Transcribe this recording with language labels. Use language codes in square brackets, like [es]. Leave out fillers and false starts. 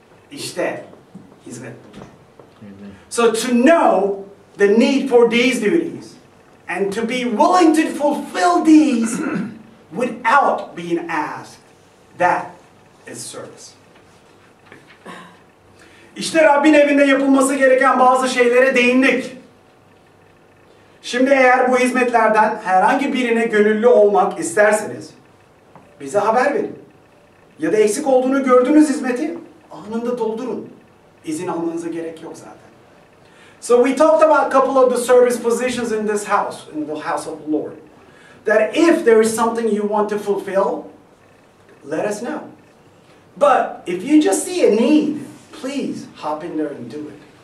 [tr] İşte hizmet budur. Amen. [en] So to know the need for these duties, and to be willing to fulfill these without being asked, that is service. [tr] İşte Rabbin evinde yapılması gereken bazı şeylere değindik. Şimdi eğer bu hizmetlerden herhangi birine gönüllü olmak isterseniz, bize haber verin. Ya da eksik olduğunu gördüğünüz hizmeti anında doldurun. İzin almanıza gerek yok zaten. [en] So we talked about a couple of the service positions in this house, in the house of the Lord. That if there is something you want to fulfill, let us know. But if you just see a need, please hop in there and do it.